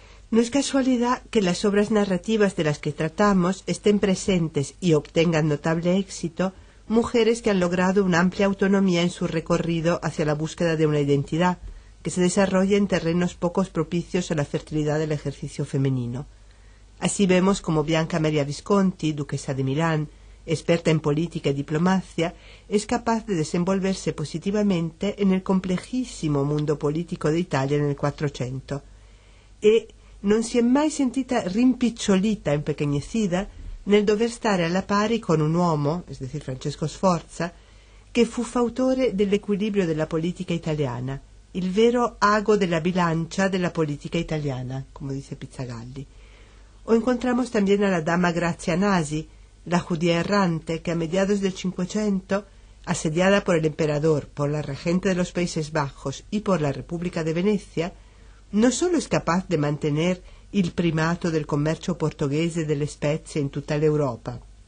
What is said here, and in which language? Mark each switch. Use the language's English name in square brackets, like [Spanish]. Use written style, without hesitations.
[Spanish] No es casualidad que las obras narrativas de las que tratamos estén presentes y obtengan notable éxito mujeres que han logrado una amplia autonomía en su recorrido hacia la búsqueda de una identidad, que se desarrolla en terrenos pocos propicios a la fertilidad del ejercicio femenino. Así vemos como Bianca Maria Visconti, duquesa de Milán, experta en política y diplomacia, es capaz de desenvolverse positivamente en el complejísimo mundo político de Italia en el 400. [Italian] E non si è mai sentita rimpicciolita, [Spanish] impequeñecida, [Italian] nel dover stare alla pari con un uomo, [Spanish] es decir, [Italian] Francesco Sforza, che fu fautore dell'equilibrio della politica italiana, il vero ago della bilancia della politica italiana, come dice Pizzagalli. [Spanish] O encontramos también a la dama Grazia Nasi, la judía errante, que a mediados del 500, asediada por el emperador, por la regente de los Países Bajos y por la República de Venecia, no solo es capaz de mantener el primato del comercio portugués de las especias en toda la Europa,